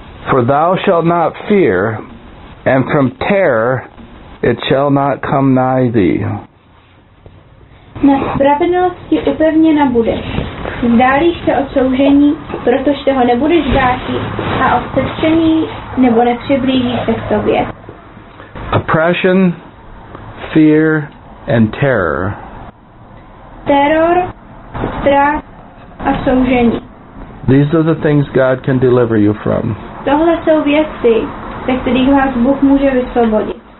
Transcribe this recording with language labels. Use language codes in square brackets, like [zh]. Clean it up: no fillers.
[en] For thou shalt not fear, and from terror it shall not come nigh thee. [cs] Na spravedlnosti upevněna budeš. Vzdálíš se od soužení, protože toho nebudeš dáti a od setření nebo nepřiblíží se k tobě. [en] Oppression, fear and terror. [cs] Teror, strach a soužení. [en] These are the things God can deliver you from. [cs] Tohle jsou věci, ze kterých vás Bůh může vysvobodit.